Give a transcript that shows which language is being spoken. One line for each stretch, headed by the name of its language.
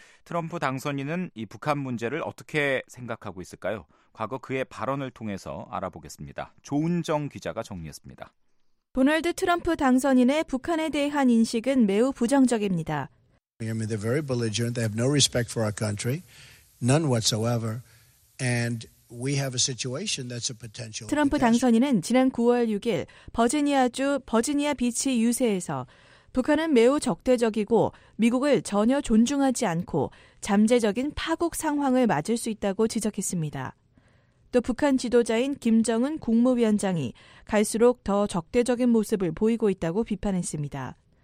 Korean: 트럼프 당선인은 이 북한 문제를 어떻게 생각하고 있을까요? 과거 그의 발언을 통해서 알아보겠습니다. 조은정 기자가 정리했습니다. 도널드 트럼프 당선인의 북한에 대한 인식은 매우 부정적입니다.
English: They're very belligerent. They have no respect for our country. None whatsoever. And we have a situation that's a potential.
Korean: 트럼프 당선인은 지난 9월 6일 버지니아주 버지니아 비치 유세에서 북한은 매우 적대적이고 미국을 전혀 존중하지 않고 잠재적인 파국 상황을 맞을 수 있다고 지적했습니다. 또 북한 지도자인 김정은 국무위원장이 갈수록 더 적대적인 모습을 보이고 있다고 비판했습니다.